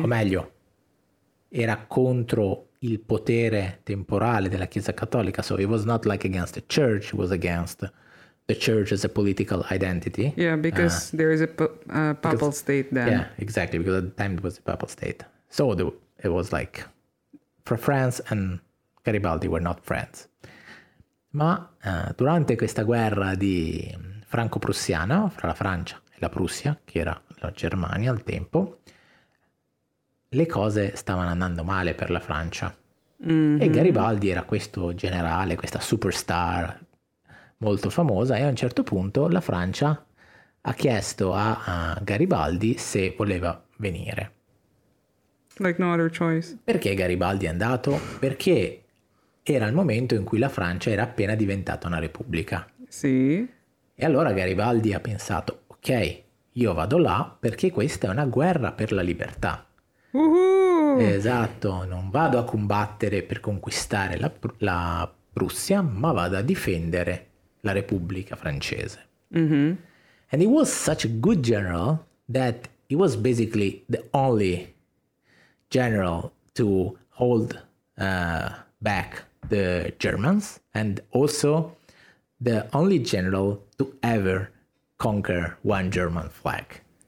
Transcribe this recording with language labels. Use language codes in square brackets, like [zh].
[it] O meglio, era contro il potere temporale della Chiesa Cattolica. [en] So it was not like against the church, it was against the church as a political identity. Yeah, because there is a papal state then. Yeah, exactly, because at the time it was a papal state. So it was like, for France and Garibaldi were not friends. [it] Ma durante questa guerra di franco-prussiana, fra la Francia e la Prussia, che era la Germania al tempo, le cose stavano andando male per la Francia. Mm-hmm. E Garibaldi era questo generale, questa superstar molto famosa, e a un certo punto la Francia ha chiesto a Garibaldi se voleva venire. [en] Like no other choice. [it] Perché Garibaldi è andato? Perché era il momento in cui la Francia era appena diventata una repubblica. Sì. E allora Garibaldi ha pensato, ok, io vado là perché questa è una guerra per la libertà. Uh-huh. Esatto, non vado a combattere per conquistare la Prussia, ma vado a difendere la Repubblica Francese. Mm-hmm. [en] And he was such a good general that he was basically the only general to hold back the Germans, and also the only general to ever conquer one German flag.